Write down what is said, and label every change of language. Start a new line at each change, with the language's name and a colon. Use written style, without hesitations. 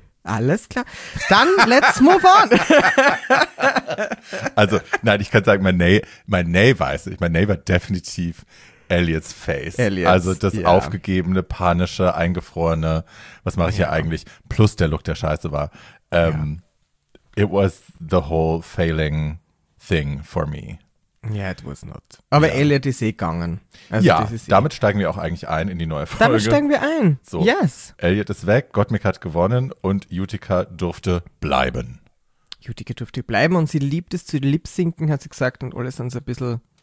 German: Alles klar. Dann
English: let's move on.
German: Also, nein, ich kann sagen, mein Nay weiß ich. Mein Nay war definitiv Elliots Face. Elliots, also das aufgegebene, panische, eingefrorene, was mache ich hier eigentlich? Plus der Look, der scheiße war.
English: It was the whole failing thing for me. Yeah, it was not.
German: Aber Elliot ist eh gegangen. Also ja, das ist damit steigen wir auch eigentlich ein in die neue Folge. Damit steigen wir ein. So, yes. Elliot ist weg, Gottmik hat gewonnen und Utica durfte bleiben. Utica durfte bleiben und sie liebt es zu lipsinken, hat sie gesagt, und alles sind so ein bisschen...